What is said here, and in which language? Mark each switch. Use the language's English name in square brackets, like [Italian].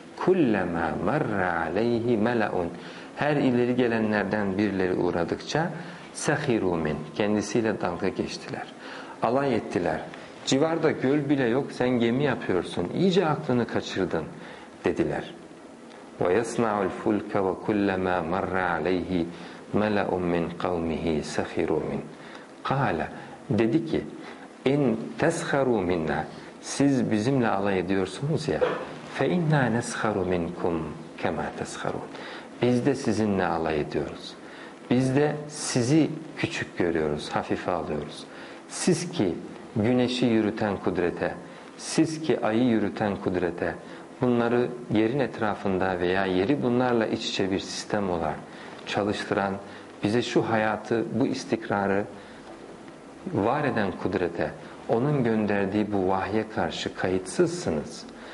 [Arabic] كُلَّمَا مَرَّ عَلَيْهِ مَلَأٌ [Turkish] her ileri gelenlerden birileri uğradıkça [Arabic] سَخِرُوا مِنْ [Turkish] kendisiyle dalga geçtiler. Alay ettiler. Civarda göl bile yok, sen gemi yapıyorsun. İyice aklını kaçırdın dediler. [Arabic] وَيَصْنَعُ الْفُلْكَ وَكُلَّمَا مَرَّ عَلَيْهِ مَلَأٌ مِّنْ قَوْمِهِ سَخِرُوا مِنْ قَالَ [Turkish] dedi ki [Arabic] اِنْ تَسْخَرُوا مِنَّا [Turkish] siz bizimle alay ediyorsunuz ya [Arabic] فَاِنَّا نَسْخَرُ مِنْكُمْ كَمَا تَسْخَرُونَ [Turkish] biz de sizinle alay ediyoruz. Biz de sizi küçük görüyoruz, hafife alıyoruz. Siz ki güneşi yürüten kudrete, siz ki ayı yürüten kudrete, bunları yerin etrafında veya yeri bunlarla iç içe bir sistem olarak çalıştıran, bize şu hayatı, bu istikrarı var eden kudrete, onun gönderdiği bu vahye karşı kayıtsızsınız.